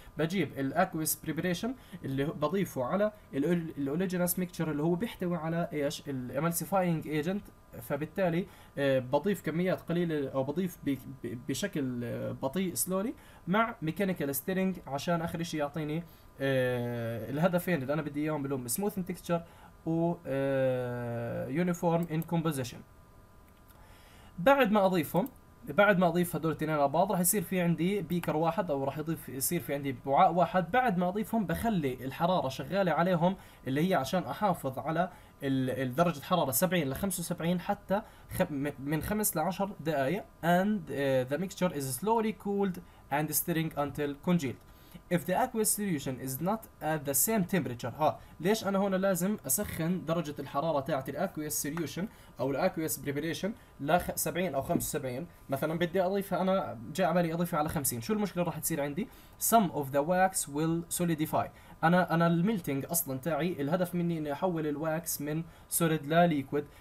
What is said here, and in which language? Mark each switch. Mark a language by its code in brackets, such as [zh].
[ar] بجيب ال [en] aqueous preparation [ar] اللي بضيفه على ال [en] oligenous mixture [ar] اللي هو بيحتوي على ايش؟ ال [en] emulsifying agent. [ar] فبالتالي بضيف كميات قليلة أو بضيف بشكل بطيء slowly مع [en] mechanical stirring [ar] عشان آخر شيء يعطيني الهدفين اللي أنا بدي إياهم اللي هم [en] smooth in texture [ar] و [en] uniform in composition. [ar] بعد ما أضيف هدول الاثنين على بعض راح يصير في عندي بيكر واحد، أو راح يصير في عندي وعاء واحد. بعد ما أضيفهم بخلي الحرارة شغالة عليهم اللي هي عشان أحافظ على الدرجة حرارة 70 ل 75 حتى من 5 ل 10 دقائق. [en] And the mixture is slowly cooled and stirring until congealed. If the aqueous solution is not at the same temperature. [ar] ها ليش أنا هون لازم أسخن درجة الحرارة تاعت الأكويس سوليوشن أو الأكويس بريبريشن ل 70 أو 75 مثلا، بدي أضيفها أنا جاء عملي أضيفها على 50، شو المشكلة راح تصير عندي؟ [en] some of the wax will solidify. [ar] أنا الميلتنج أصلا تاعي الهدف مني إني أحول الواكس من سوليد لليكويد.